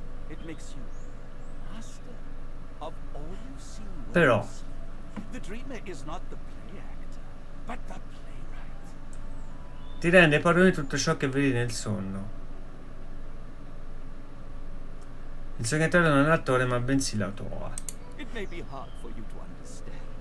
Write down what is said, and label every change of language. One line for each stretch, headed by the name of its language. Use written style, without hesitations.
English: It makes you master of all you see. Però the dreamer is not the play actor, but the playwright.
Italian: Ti rende padrone tutto ciò che vedi nel sonno. Il sognatore non è l'attore, ma bensì l'autore.
English: It may be hard for you to understand.